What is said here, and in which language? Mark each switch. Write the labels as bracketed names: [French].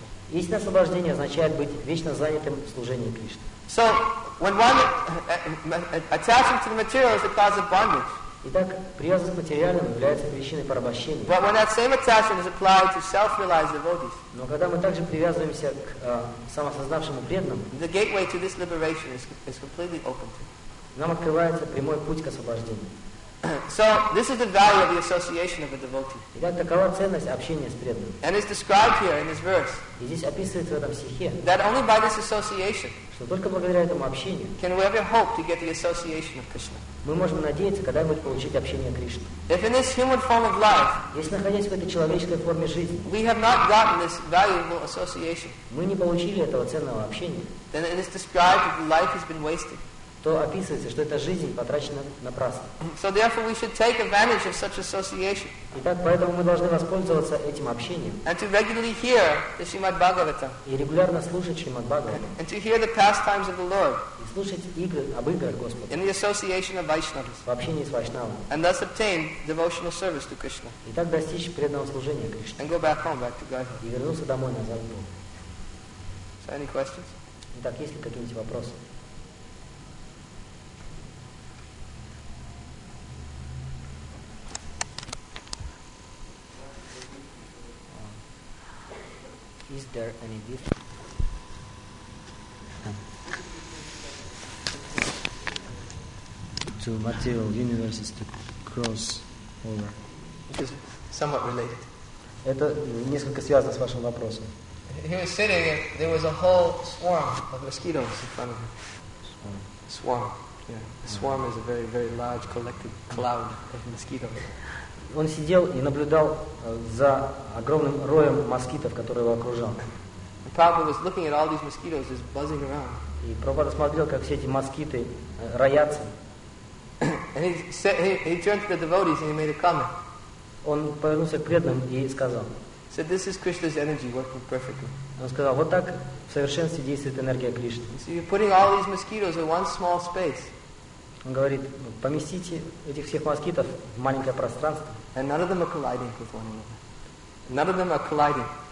[Russian] Истинное освобождение означает быть вечно занятым в служении Кришне. [English] So, when one attaching to the material is the cause of bondage. [Russian] Итак, привязанность к материальному является причиной порабощения. [English] But when that same attachment is applied to self-realized devotees. [Russian] Но когда мы также привязываемся к самосознавшему преданному, [English] the gateway to this liberation is completely open to. [Russian] Нам открывается прямой путь к освобождению. [English] So, this is the value of the association of a devotee. [Russian] Итак, такова ценность общения с преданным. [English] And it's described here in this verse. [Russian] И здесь описывается в этом стихе. [English] That only by this association. [Russian] Что только благодаря этому общению [English] can we ever hope to get the association of Krishna? [Russian] Мы можем надеяться когда-нибудь получить общение Кришны. [English] If in this human form of life, [Russian] если находясь в этой человеческой форме жизни, [English] we have not gotten this valuable association, [Russian] мы не получили этого ценного общения, [English] then it is described that life has been wasted. [Russian] То описывается, что эта жизнь потрачена напрасно. [English] So therefore we should take advantage of such association. [Russian] Итак, поэтому мы должны воспользоваться этим общением. [English] And to regularly hear the Srimad Bhagavatam. [Russian] И регулярно слушать Шримад Бхагаватам. [English] And to hear the pastimes of the Lord. [Russian] И слушать игры об играх Господа. [English] In the association of Vaishnavas. [Russian] В общении с Вайшнавами. [English] And thus obtain devotional service to Krishna. [Russian] И так достичь преданного служения Кришне. [English] And go back home, back to Godhead. [Russian] И вернуться домой назад в Бога. [English] So any questions? [Russian] Итак, есть ли какие-нибудь вопросы? [English] Is there any difference to material universes to cross over? It is somewhat related. [Russian] Это несколько связано с вашим вопросом. [English] He was sitting and there was a whole swarm of mosquitoes in front of him. Swarm. Swarm. Yeah. Swarm is a very, very large collected cloud of mosquitoes. [Russian] Он сидел и наблюдал за огромным роем москитов, который его окружал. [English] And Prabhupada was looking at all these mosquitoes just buzzing around. [Russian] И Прабхупада смотрел, как все эти москиты роятся. [English] And he turned to the devotees and he made a comment. [Russian] Он повернулся к преданным и сказал. [English] So this is Krishna's energy working perfectly. [Russian] Он сказал, вот так в совершенстве действует энергия Кришны. [English] So you're putting all these mosquitoes in one small space. [Russian] Он говорит, поместите этих всех москитов в маленькое пространство. [English] And none of them are colliding with one another. None of them are colliding.